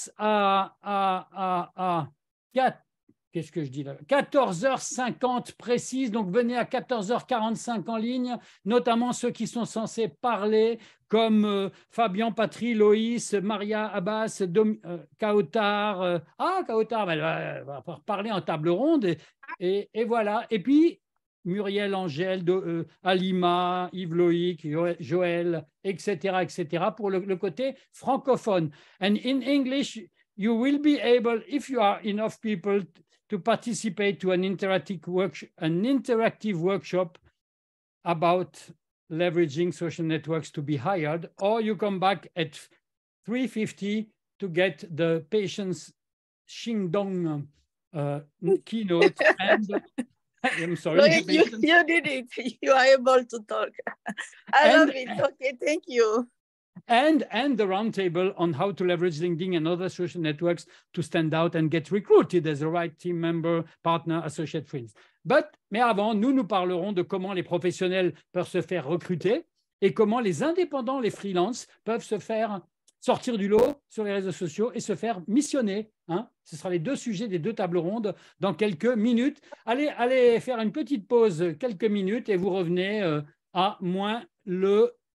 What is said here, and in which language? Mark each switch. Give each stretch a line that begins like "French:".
French: On recommence à 14h50 précise, donc venez à 14h45 en ligne, notamment ceux qui sont censés parler, comme Fabien, Patrie, Loïs, Maria, Abbas, Kaotar. Kaotar, elle va pouvoir parler en table ronde. Et voilà. Et puis, Muriel, Angèle, Alima, Yves Loïc, Joël, etc., etc., pour le côté francophone.
English: And in English, you will be able, if you are enough people, to participate to an interactive workshop about leveraging social networks to be hired, or you come back at 3:50 to get the patience Xingdong keynote. And I'm sorry. Loïc, you did it. You are able to talk. I love it. Okay, thank you. And the roundtable on how to leverage LinkedIn and other social networks to stand out and get recruited as the right team member, partner, associate, friends.
French: Mais avant, nous parlerons de comment les professionnels peuvent se faire recruter et comment les indépendants, les freelances, peuvent se faire sortir du lot sur les réseaux sociaux et se faire missionner. Hein. Ce sera les deux sujets des deux tables rondes dans quelques minutes. Allez faire une petite pause, quelques minutes, et vous revenez à moins le...